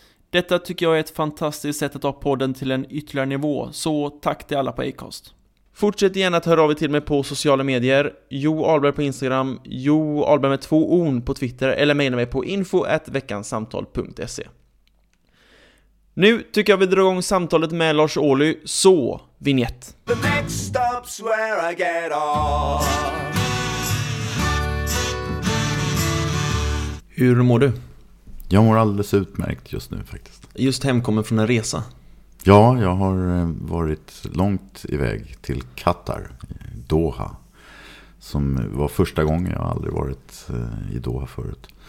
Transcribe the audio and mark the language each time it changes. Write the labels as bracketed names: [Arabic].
[Swedish] Detta tycker jag är ett fantastiskt sätt att ta podden till en ytterligare nivå, så tack till alla på Acast. Fortsätt gärna att höra av er till mig på sociala medier, Jo Ahlberg på Instagram, Jo Ahlberg med två on på Twitter eller maila mig på info@veckansamtal.se. Nu tycker jag vi drar igång samtalet med Lars Ohly, så vignett. [English] The next stop's where I get off. [Swedish] Hur mår du? Jag mår alldeles utmärkt just nu faktiskt. Just hemkommen från en resa? Ja, jag har varit långt iväg till Qatar, Doha. Som var första gången, jag har aldrig varit i Doha förut.